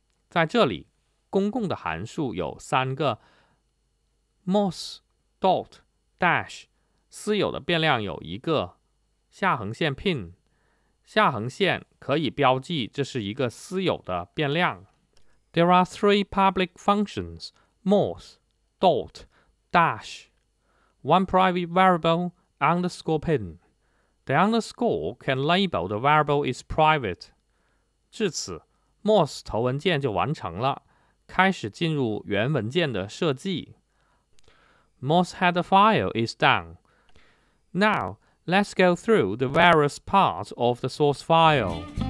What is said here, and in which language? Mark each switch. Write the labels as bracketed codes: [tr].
[zh] 在这里，公共的函数有三个 mos, dot, dash, 私有的变量有一个下横线 pin, 下横线可以标记这是一个私有的变量。 [en] There are three public functions, mos, dot, dash, one private variable, underscore pin. The underscore can label the variable is private. [zh] 至此 ,mos 头文件就完成了，开始进入原文件的设计。 [en] Mos header file is done. Now, let's go through the various parts of the source file.